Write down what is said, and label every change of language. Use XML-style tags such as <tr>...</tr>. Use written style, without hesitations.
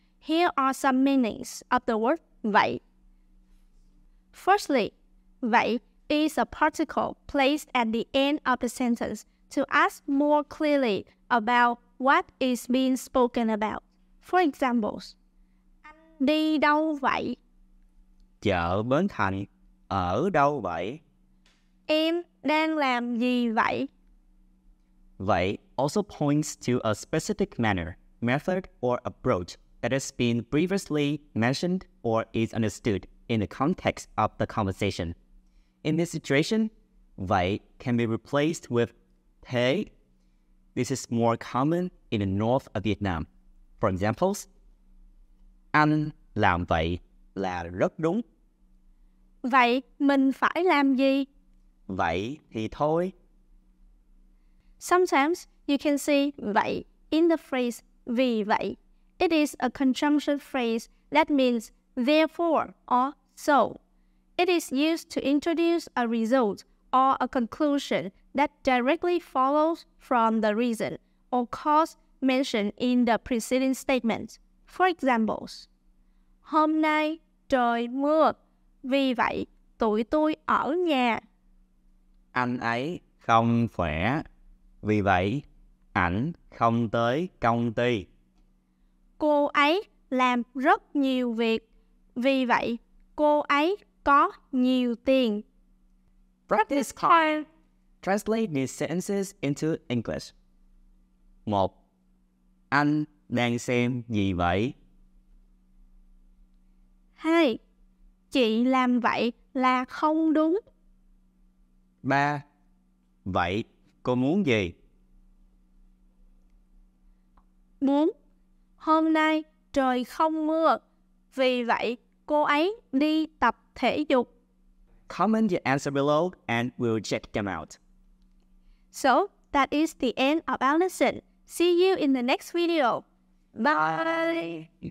<en>Here are some meanings of the word vậy. Firstly, vậy is a particle placed at the end of the sentence to ask more clearly about what is being spoken about. For examples,</en> <vi>anh đi đâu vậy? Chợ Bến Thành, ở đâu vậy? Em đang làm gì vậy?</vi> <en>Vậy also points to a specific manner, method, or approach that has been previously mentioned or is understood in the context of the conversation. In this situation, vậy can be replaced with thế. This is more common in the north of Vietnam. For examples,</en> <vi>anh làm vậy là rất đúng. Vậy mình phải làm gì? Vậy thì thôi.</vi> <en>Sometimes you can see vậy in the phrase vì vậy. It is a conjunction phrase that means therefore or so. It is used to introduce a result or a conclusion that directly follows from the reason or cause mentioned in the preceding statement. For examples,</en> <vi>hôm nay trời mưa, vì vậy tụi tôi ở nhà. Anh ấy không khỏe, vì vậy ảnh không tới công ty. Cô ấy làm rất nhiều việc, vì vậy cô ấy có nhiều tiền.</vi> <en>Practice time. Translate these sentences into English. 1.</en> <vi>Anh đang xem gì vậy? 2. Chị làm vậy là không đúng. 3. Vậy cô muốn gì? Muốn. Hôm nay trời không mưa, vì vậy cô ấy đi tập thể dục.</vi> <en>Comment your answer below and we'll check them out. So, that is the end of our lesson. See you in the next video. Bye!</en>